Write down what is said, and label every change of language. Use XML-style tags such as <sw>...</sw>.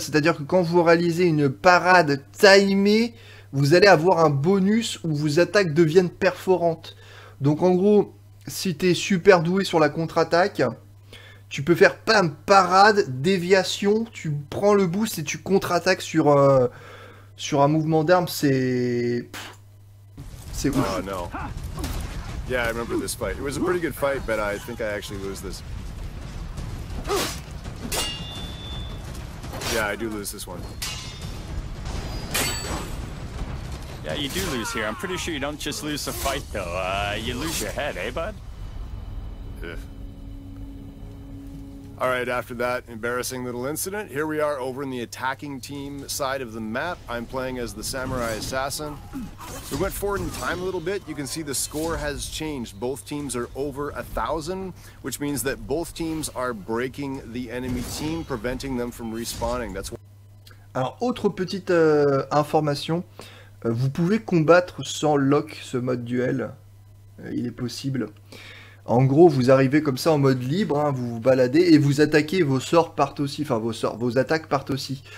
<fr>C'est-à-dire que quand vous réalisez une parade timée, vous allez avoir un bonus où vos attaques deviennent perforantes. Donc en gros, si t'es super doué sur la contre-attaque. Tu peux faire pam, parade, déviation, tu prends le boost et tu contre-attaques sur un mouvement d'arme, c'est ouf. Oh non.</fr> <en>Yeah, I remember this fight. It was a pretty good fight, but I think I actually lose this. Yeah, I do lose this one. Yeah, you do lose here. I'm pretty sure you don't just lose a fight though. You lose your head, eh, bud? All right, after that embarrassing little incident, here we are over in the attacking team side of the map. I'm playing as the samurai assassin. We went forward in time a little bit. You can see the score has changed. Both teams are over 1,000, which means that both teams are breaking the enemy team, preventing them from respawning. That's why.</en> <fr>Alors, autre petite information, vous pouvez combattre sans lock ce mode duel. Il est possible. En gros, vous arrivez comme ça en mode libre, hein, vous vous baladez et vous attaquez, vos sorts partent aussi, enfin vos attaques partent aussi.</fr>